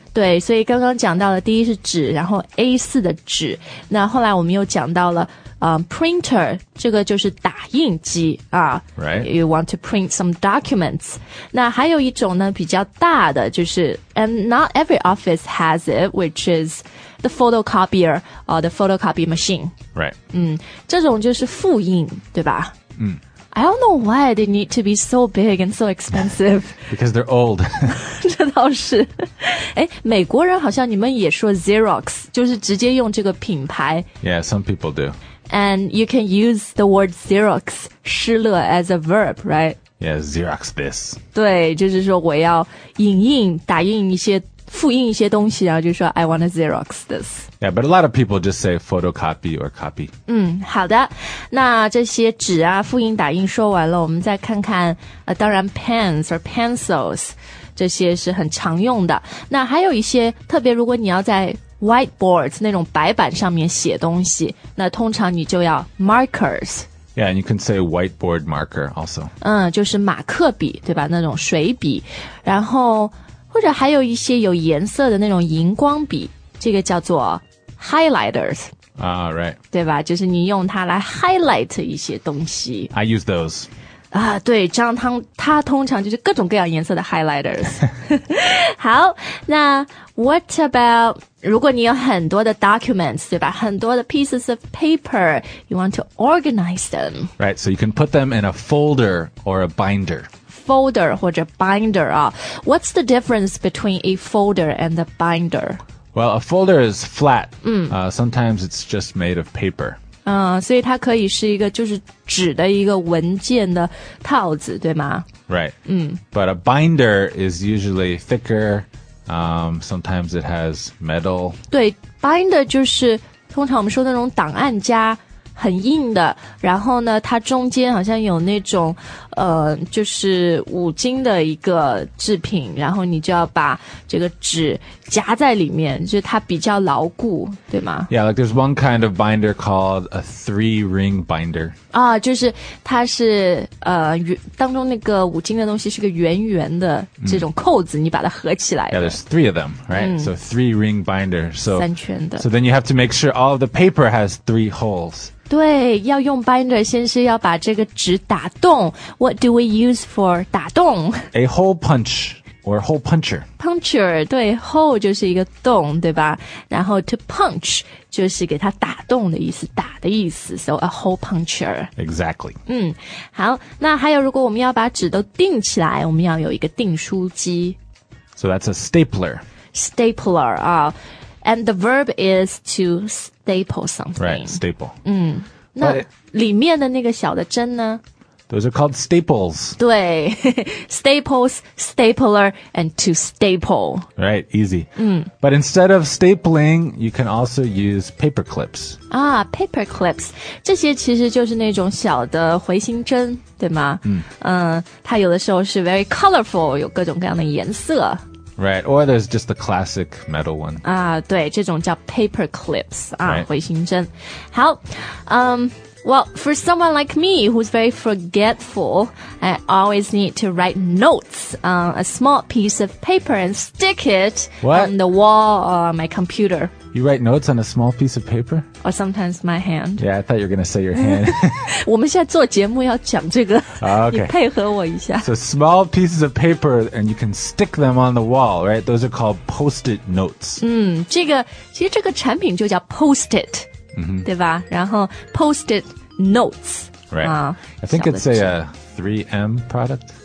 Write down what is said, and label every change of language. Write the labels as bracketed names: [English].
[Chinese] 对，所以刚刚讲到了第一是纸，然后 A4 的纸，那后来我们又讲到了printer, 这个就是打印机啊。 [English] Right. You want to print some documents. [Chinese] 那还有一种呢比较大的就是 [English] and not every office has it, which is the photocopier, or the photocopy machine. Right. [Chinese] 这种就是复印对吧 [English] I don't know why they need to be so big and so expensive. Because they're old. [Chinese] 这倒是。诶，美国人好像你们也说 Xerox, 就是直接用这个品牌。 [English] Yeah, some people do. And you can use the word Xerox, 失乐 as a verb, right? Yeah, Xerox this. [Chinese] 对，就是说我要影印、打印一些、复印一些东西，然后就说 [English] I want to Xerox this. Yeah, but a lot of people just say photocopy or copy. [Chinese] 好的，那这些纸啊、复印、打印说完了，我们再看看，当然 [English] pens or pencils [Chinese] 这些是很常用的。那还有一些特别，如果你要在 whiteboards 那种白板上面写东西，那通常你就要 markers. [English] Yeah, and you can say whiteboard marker also. [Chinese] 就是马克笔对吧那种水笔。然后或者还有一些有颜色的那种荧光笔这个叫做 highlighters. [English] Right. [Chinese] 对吧就是你用它来 highlight 一些东西。 [English] I use those. [Chinese] 对这样它通常就是各种各样颜色的 highlighters. 好那 [English] what about... [Chinese] 如果你有很多的 documents, 对吧? 很多的 [English] pieces of paper, you want to organize them. Right, so you can put them in a folder or a binder. [Chinese] Folder 或者 binder 啊。 [English] What's the difference between a folder and a binder? Well, a folder is flat. Sometimes it's just made of paper. [Chinese] 所以它可以是一个就是纸的一个文件的套子,对吗? [English] Right. But a binder is usually thicker,sometimes it has metal. [Chinese] 对 ,binder 就是通常我们说那种档案夹很硬的然后呢它中间好像有那种就是五金的一个制品然后你就要把这个纸夹在里面就是它比较牢固对吗 [English] Yeah, like there's one kind of binder called a three-ring binder. [Chinese] 就是它是当中那个五金的东西是个圆圆的这种扣子你把它合起来。 [English] Yeah, there's three of them, right? So three-ring binder. So, [Chinese] 三圈的。 [English] So then you have to make sure all of the paper has three holes. [Chinese] 对要用 binder 先是要把这个纸打洞 [English] What do we use for [Chinese] 打洞 [English] A hole punch or hole puncher [Chinese] Puncher 对 hole 就是一个洞对吧然后 [English] to punch [Chinese] 就是给它打洞的意思打的意思 [English] So a hole puncher Exactly [Chinese] 好那还有如果我们要把纸都钉起来我们要有一个订书机 [English] So that's a stapler Stapler And the verb is to staple something. Right, staple. [Chinese] 那里面的那个小的针呢? [English] Those are called staples. 对, staples, stapler, and to staple. Right, easy. But instead of stapling, you can also use paper clips. Paper clips. [Chinese] 这些其实就是那种小的回形针,对吗? 它有的时候是 [English] very colorful, [Chinese] 有各种各样的颜色。 [English] Right, or there's just the classic metal one. [Chinese] 对,这种叫 paper clips, 回形针。 [English] Right. 好, well, for someone like me, who's very forgetful, I always need to write notes on a small piece of paper and stick it on the wall or my computer. You write notes on a small piece of paper? Or sometimes my hand. Yeah, I thought you were going to say your hand. [Chinese] 我们现在做节目要讲这个。 [English] Okay. [Chinese] 你配合我一下。 [English] So small pieces of paper, and you can stick them on the wall, right? Those are called post-it notes. [Chinese] 这个其实这个产品就叫 post-it. mm-hmm. 对吧然后 post-it notes [English] Right. I think it's a 3M product.